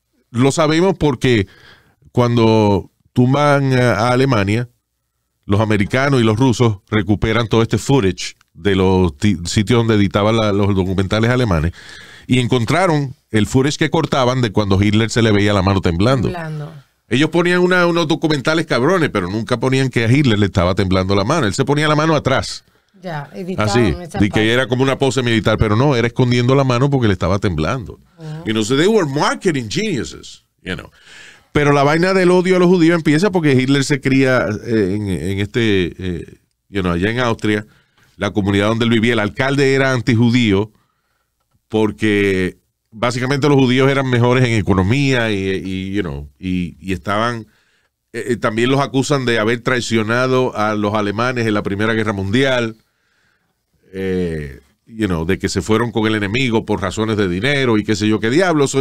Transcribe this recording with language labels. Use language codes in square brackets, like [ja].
[es] Lo sabemos porque cuando tumban a Alemania, los americanos y los rusos recuperan todo este footage de los sitios donde editaban los documentales alemanes y encontraron el footage que cortaban de cuando Hitler se le veía la mano temblando. Ellos ponían unos documentales cabrones, pero nunca ponían que a Hitler le estaba temblando la mano. Él se ponía la mano atrás. Ya, así, y que era como una pose militar, pero no, era escondiendo la mano porque le estaba temblando. Uh-huh. [en] You know, so they were marketing geniuses, you know. [es] Pero la vaina del odio a los judíos empieza porque Hitler se cría allá en Austria, la comunidad donde él vivía. El alcalde era antijudío porque básicamente los judíos eran mejores en economía y estaban, también los acusan de haber traicionado a los alemanes en la Primera Guerra Mundial, de que se fueron con el enemigo por razones de dinero y qué sé yo qué diablos.